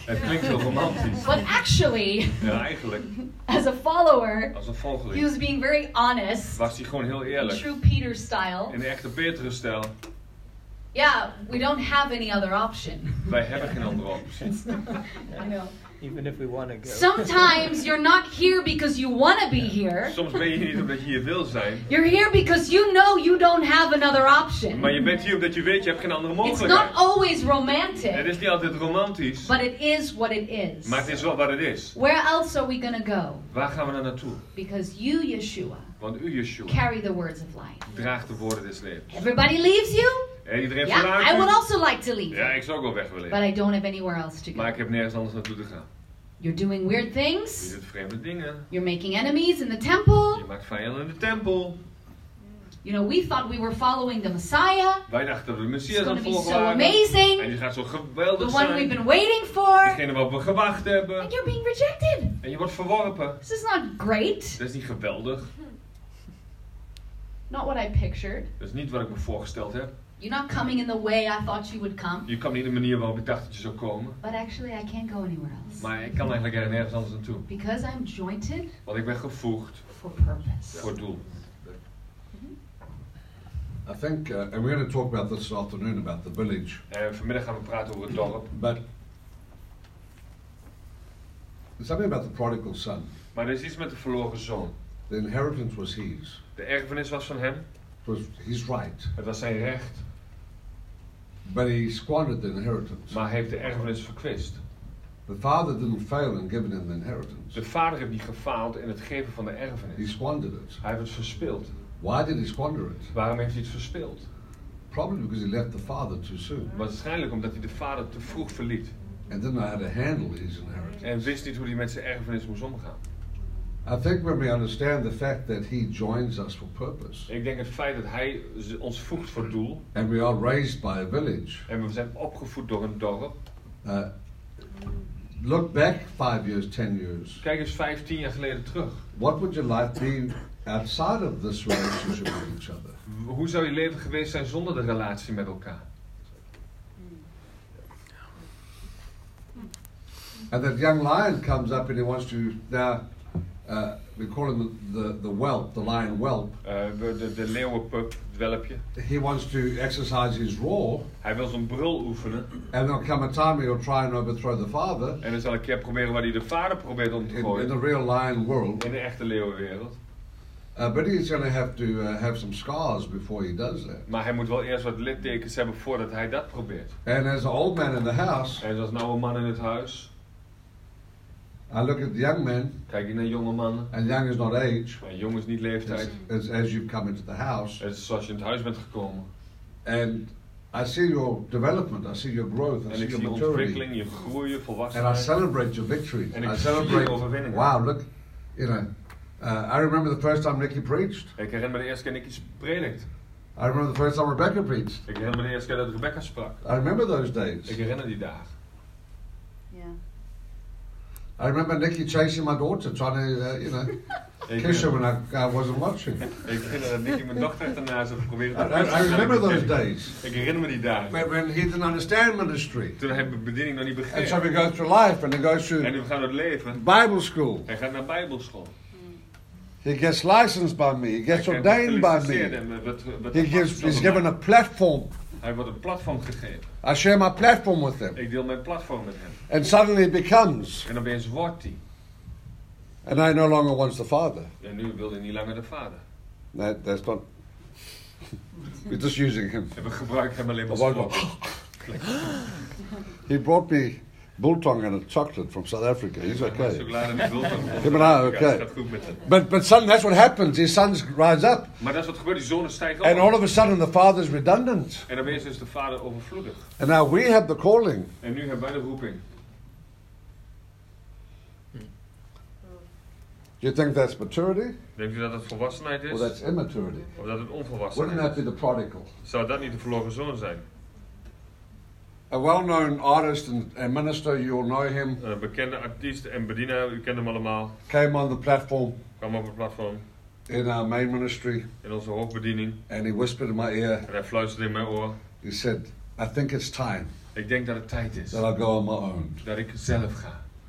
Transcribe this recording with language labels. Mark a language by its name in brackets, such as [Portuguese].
[Dutch] Het klinkt heel romantisch. [English] But actually, [Dutch] ja, eigenlijk, [English] as a follower, [Dutch] als een volgeling, [English] he was being very honest. [Dutch] Was hij gewoon heel eerlijk. [English] True Peter style. [Dutch] In de echte Petrus stijl. [English] Yeah, we don't have any other option. [Dutch] Wij hebben geen andere optie. [English] I know. Even if we want to go. Sometimes you're not here because you want to be here. [Dutch] Soms ben je hier niet omdat je hier wil zijn. [English] You're here because you know you don't have another option. [Dutch] Maar je bent hier omdat je weet je hebt geen andere mogelijkheid. [English] It's not always romantic. [Dutch] Het is niet altijd romantisch. [English] But it is what it is. [Dutch] Maar het is wel wat het is. [English] Where else are we going to go? [Dutch] Waar gaan we dan naartoe? [English] Because you, Yeshua. [Dutch] Want u, Yeshua. [English] Carry the words of life. [Dutch] Draag de woorden des levens. [English] Everybody leaves you? [Dutch] Iedereen yeah, verlaat [English] I would also like to leave. [Dutch] Ja, ik zou ook wel weg willen. [English] But I don't have anywhere else to go. [Dutch] Maar ik heb nergens anders naartoe te gaan. [English] You're doing weird things. [Dutch] Je doet vreemde dingen. [English] You're making enemies in the temple. [Dutch] Je maakt vijanden in de tempel. [English] You know, we thought we were following the Messiah. [Dutch] Wij dachten dat we de Messias aan het volgen waren. [English] So amazing. [Dutch] En die gaat zo geweldig zijn. [English] The one we've been waiting for. [Dutch] Degene waarop we gewacht hebben. [English] And you're being rejected. [Dutch] En je wordt verworpen. [English] This is not great. [Dutch] Dat is niet geweldig. [English] Not what I pictured. [Dutch] Dat is niet wat ik me voorgesteld heb. [English] You're not coming in the way I thought you would come. [Dutch] Je komt niet in de manier waarop ik dacht dat je zou komen. [English] But actually, I can't go anywhere else. [Dutch] Maar ik kan eigenlijk er nergens anders naartoe. [English] Because I'm jointed. [Dutch] Want ik ben gevoegd. [English] For purpose. [Dutch] Voor doel. [English] I think, and we're going to talk about this afternoon about the village. [Dutch] Vanmiddag gaan we praten over het dorp. [English] But there's something about the prodigal son. [Dutch] Maar er is iets met de verloren zoon. [English] The inheritance was his. [Dutch] De erfenis was van hem. [English] It was his right. [Dutch] Het was zijn recht. [English] But he squandered the inheritance. [Dutch] Maar hij heeft de erfenis verkwist. [English] The father didn't fail in giving him the inheritance. [Dutch] De vader heeft niet gefaald in het geven van de erfenis. [English] He squandered it. [Dutch] Hij heeft het verspild. [English] Why did he squander it? [Dutch] Waarom heeft hij het verspild? [English] Probably because he left the father too soon. [Dutch] Waarschijnlijk omdat hij de vader te vroeg verliet. [English] And didn't know how to handle his inheritance. [Dutch] En wist niet hoe hij met zijn erfenis moest omgaan. [English] I think when we understand the fact that he joins us for purpose. [Dutch] Ik denk het feit dat hij ons voegt voor doel. [English] And we are raised by a village. [Dutch] En we zijn opgevoed door een dorp. [English] Look back 5 years, 10 years. [Dutch] Kijk eens 5, 10 jaar geleden terug. [English] What would your life be outside of this relationship with each other? [Dutch] Hoe zou je leven geweest zijn zonder de relatie met elkaar? [English] And that young lion comes up and he wants to now. We call him the whelp, the lion whelp. [Dutch] De leeuwenpup, het welpje. [English] He wants to exercise his roar. [Dutch] Hij wil zijn brul oefenen. [English] And there'll come a time where he'll try and overthrow the father. [Dutch] En er zal een keer proberen waar hij de vader probeert om te gooien. [English] In the real lion world. [Dutch] In de echte leeuwenwereld. [English] But he's going to have to have some scars before he does that. [Dutch] Maar hij moet wel eerst wat littekens hebben voordat hij dat probeert. [English] And as an old man in the house. [Dutch] En als een oude man in het huis. [English] I look at the young men. [Dutch] Kijk je naar jonge mannen. [English] And young is not age. [Dutch] En jong is niet leeftijd. [English] It's as you've come into the house. [Dutch] Het is zoals je in het huis bent gekomen. [English] And I see your development. I see your growth. [Dutch] En ik zie [English] maturity. [Dutch] Je ontwikkeling, je groei, je volwassenheid. [English] And I celebrate your victory. [Dutch] En ik [English] I celebrate your [Dutch] overwinning. [English] Wow, look, you know, I remember the first time Nicky preached. [Dutch] Ik herinner me de eerste keer Nicky predikt. [English] I remember the first time Rebecca preached. [Dutch] Ik herinner me de eerste keer dat Rebecca sprak. [English] I remember those days. [Dutch] Ik herinner die dagen. [English] I remember Nicky chasing my daughter, trying to, you know, kiss her when I wasn't watching. [Dutch] Ik herinner dat Nicky mijn dochter daarna zou proberen. [English] I remember those days. [Dutch] Ik herinner me die dagen. [English] When he didn't understand ministry. [Dutch] Toen hij bediening nog niet begreep. [English] And so we go through life and he goes through. [Dutch] En we gaan door het leven. [English] Bible school. [Dutch] Hij gaat naar Bijbelschool. [English] He gets licensed by me. He gets ordained by me. He's given a platform. [Dutch] Hij wordt een platform gegeven. [English] I share my platform with him. [Dutch] Ik deel mijn platform met hem. [English] And suddenly it becomes. [Dutch] En opeens wordt hij. [English] And I no longer wants the father. [Dutch] En nu wil hij niet langer de vader. [English] That's not. We're just using him. [Dutch] En we gebruiken hem alleen maar voor. [English] He brought me biltong and a chocolate from South Africa. He's okay. Him and I, okay. But suddenly that's what happens. His sons rise up. [Dutch] Maar dat is wat gebeurt. Die zonen stijgen op. [English] And all of a sudden the father's redundant. [Dutch] En opeens is de vader overvloedig. [English] And now we have the calling. [Dutch] En nu hebben wij de roeping. [English] You think that's maturity? [Dutch] Denk je dat het volwassenheid is? [English] Or that's immaturity? [Dutch] Of dat het onvolwassenheid is? [English] Wouldn't that be the prodigal? [Dutch] Zou dat niet de verloren zoon zijn? [English] A well-known artist and minister, you all know him. [Dutch] Een bekende artiest en bediener, u kent hem allemaal. [English] Came on the platform. [Dutch] Kwam op het platform. [English] In our main ministry. [Dutch] In onze hoofdbediening. [English] And he whispered in my ear. [Dutch] En hij fluisterde in mijn oor. [English] He said, I think it's time. [Dutch] Ik denk dat het tijd is. [English] That I go on my own. [Dutch] Dat ik zelf ga.